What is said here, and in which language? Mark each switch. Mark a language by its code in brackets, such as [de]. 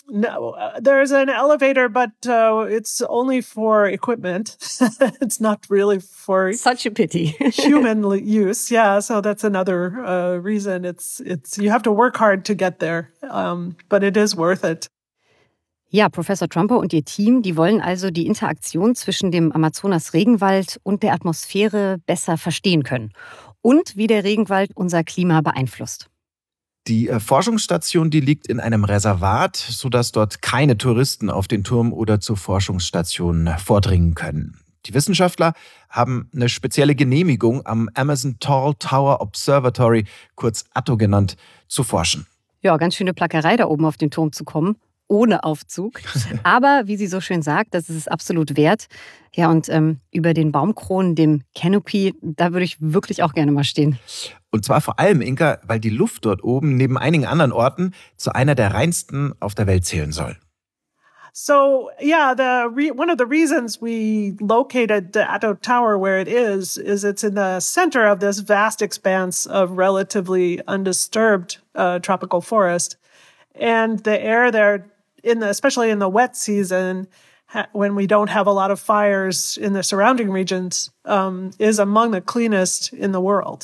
[en] No, there's an elevator, but it's only for equipment. It's not really for such a pity human use. Yeah, so that's another reason. It's you have to work hard to get there, but it is worth it. [de] Ja, Professor Trumper und ihr Team, die wollen also die Interaktion zwischen dem Amazonas-Regenwald und der Atmosphäre besser verstehen können und wie der Regenwald unser Klima beeinflusst. Die Forschungsstation, die liegt in einem Reservat, sodass dort keine Touristen auf den Turm oder zur Forschungsstation vordringen können. Die Wissenschaftler haben eine spezielle Genehmigung am Amazon Tall Tower Observatory, kurz ATO genannt, zu forschen. Ja, ganz schöne Plackerei, da oben auf den Turm zu kommen. Ohne Aufzug. Aber wie sie so schön sagt, das ist es absolut wert. Ja, und über den Baumkronen, dem Canopy, da würde ich wirklich auch gerne mal stehen. Und zwar vor allem, Inka, weil die Luft dort oben neben einigen anderen Orten zu einer der reinsten auf der Welt zählen soll. [en] So, yeah, one of the reasons we located the Ato Tower where it is it's in the center of this vast expanse of relatively undisturbed tropical forest. And the air there, especially in the wet season, when we don't have a lot of fires in the surrounding regions, is among the cleanest in the world.